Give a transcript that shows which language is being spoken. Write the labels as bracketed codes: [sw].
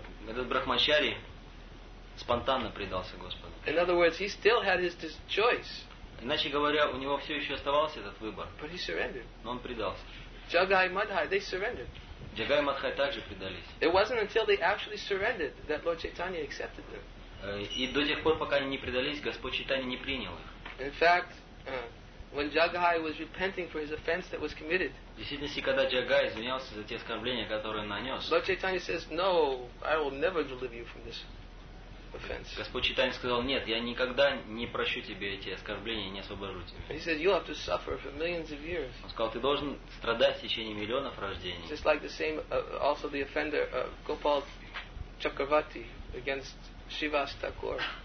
[ru] Этот брахмачари спонтанно предался Господу. [en] In other words, he still had his choice. [ru] Иначе говоря, у него все еще оставался этот выбор. [en] But he surrendered. [ru] Но он предался. [en] Jagai Madhai, they surrendered. [ru] Jagai Madhai также предались. [en] It wasn't until they actually surrendered that Lord Chaitanya accepted them. [ru] И до тех пор, пока они не предались, Господь Чайтанья не принял их. [en] In fact, when Jagai was repenting for his offense that was committed. [ru] В действительности, когда Джагай извинялся за те оскорбления, которые он нанес. [en] Lord Chaitanya says, "No, I will never deliver you from this offense." [ru] Господь Чайтанья сказал: "Нет, я никогда не прощу тебе эти оскорбления и не освобожу тебя." [en] He says, "You'll have to suffer for millions of years." [ru] Он сказал: "Ты должен страдать в течение миллионов рождений." [en] Just like the same, also the offender Gopal Chakravarti against Shivas Thakur.